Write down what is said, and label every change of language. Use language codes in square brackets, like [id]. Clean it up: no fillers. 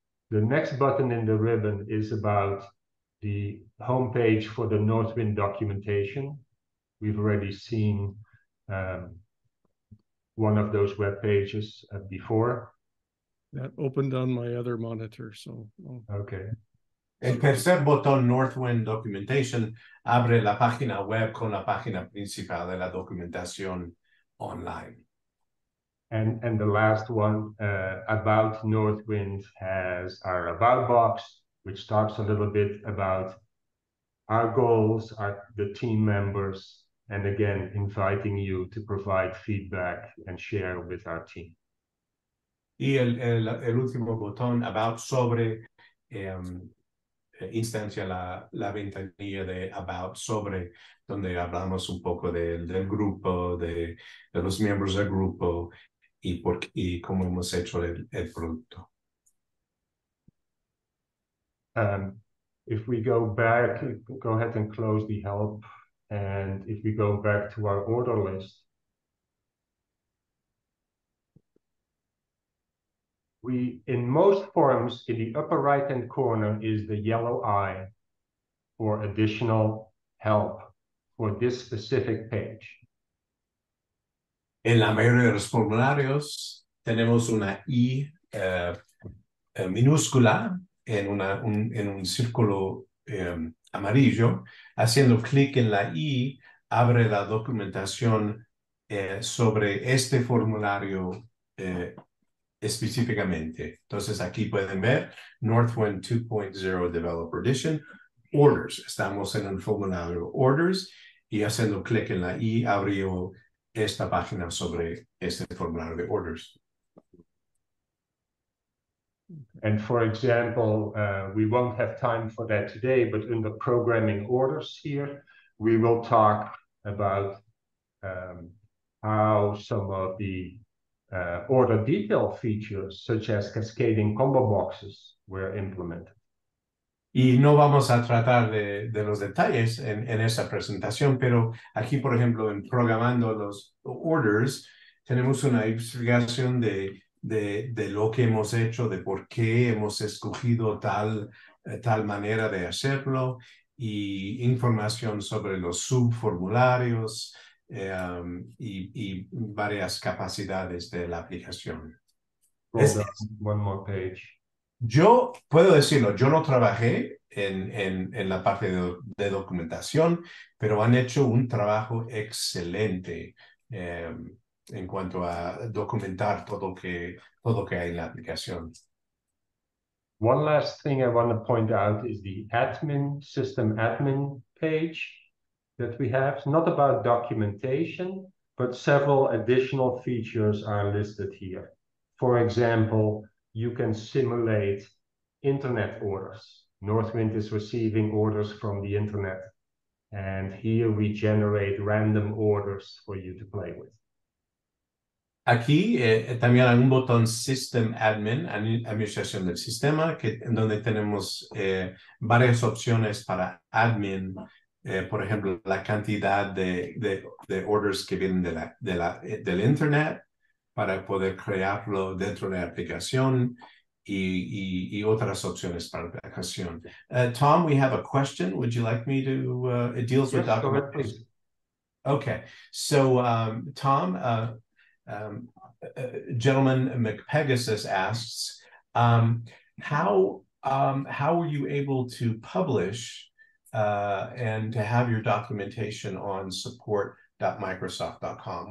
[en] The next button in the ribbon is about the homepage for the Northwind documentation. We've already seen one of those web pages before. That opened on my other monitor, so. Okay. [es] El tercer botón, Northwind Documentation, abre la página web con la página principal de la documentación online. [en] And the last one, about Northwind, has our about box, which talks a little bit about our goals, the team members, and again, inviting you to provide feedback and share with our team. [es] Y el último botón, about, sobre, instancia la ventanilla de about sobre, donde hablamos un poco del grupo, de los miembros del grupo y cómo hemos hecho el producto. [en] If we go back, go ahead and close the help, and if we go back to our order list, we, in most forms, in the upper right-hand corner is the yellow eye for additional help for this specific page. [es] En la mayoría de los formularios, tenemos una I minúscula en un círculo amarillo. Haciendo clic en la I, abre la documentación sobre este formulario específicamente. Entonces aquí pueden ver Northwind 2.0 Developer Edition Orders. Estamos en el formulario Orders y haciendo clic en la I abrió esta página sobre este formulario de Orders. [en] And for example, we won't have time for that today, but in the programming orders here, we will talk about how some of the order detail features, such as cascading combo boxes, were implemented. [es] Y no vamos a tratar de los detalles en esa presentación, pero aquí, por ejemplo, en programando los orders, tenemos una explicación de lo que hemos hecho, de por qué hemos escogido tal manera de hacerlo, y información sobre los subformularios, y varias capacidades de la aplicación. [en] One more page. [es] Yo puedo decirlo, yo no trabajé en la parte de documentación, pero han hecho un trabajo excelente en cuanto a documentar todo que hay en la aplicación. [en] One last thing I want to point out is the admin, system admin page that we have, not about documentation, but several additional features are listed here. For example, you can simulate internet orders. Northwind is receiving orders from the internet, and here we generate random orders for you to play with. [es] Aquí también hay un botón System Admin, administración del sistema, donde tenemos varias opciones para admin. Por ejemplo, la cantidad de orders que vienen del internet para poder crearlo dentro de la aplicación y otras opciones para la gestión. [en] Tom, we have a question. Would you like me to, it deals with documentation. Yes, go ahead, please. Okay, so Tom, gentleman McPegasus asks, how were you able to publish and to have your documentation on support.microsoft.com?